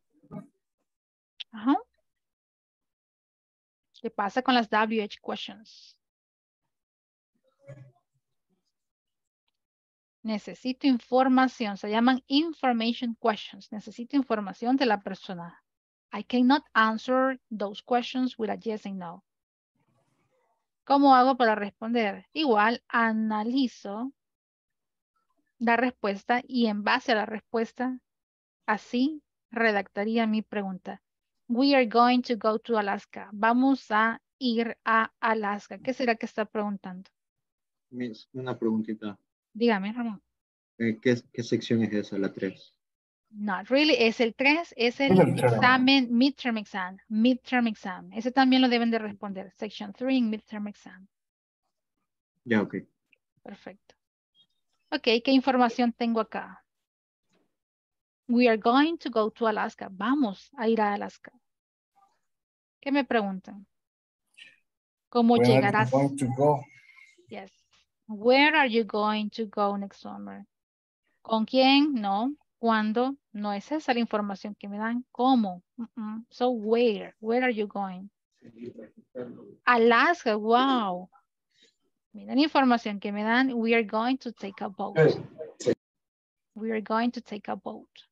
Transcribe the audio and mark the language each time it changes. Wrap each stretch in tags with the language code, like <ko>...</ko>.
<es>¿Qué pasa con las WH questions? Necesito información. Se llaman information questions. Necesito información de la persona.</es> <en>I cannot answer those questions with a yes and no.</en> <es>¿Cómo hago para responder? Igual, analizo la respuesta y en base a la respuesta, así redactaría mi pregunta.</es> <en>We are going to go to Alaska.</en> <es>Vamos a ir a Alaska. ¿Qué será que está preguntando? Una preguntita. Dígame, Ramón. ¿Qué sección es esa, la 3?</es> <en>Not really,</en> <es>es el 3, es el examen,</es> <en>midterm exam, midterm exam.</en> <es>Ese también lo deben de responder, section 3 en midterm exam. Ya, yeah, ok. Perfecto. Ok, ¿qué información tengo acá?</es> <en>We are going to go to Alaska.</en> <es>Vamos a ir a Alaska. ¿Qué me preguntan? ¿Cómo</es> <en>Where</en> <es>llegarás?</es> <en>Are you going to go? Yes. Where are you going to go next summer?</en> <es>¿Con quién? No. ¿Cuándo? No es esa la información que me dan.</es> <en>¿Cómo? Mm-mm. So where? Where are you going? Alaska. Wow.</en> <es>Miren la información que me dan.</es> <en>We are going to take a boat. We are going to take a boat.</en>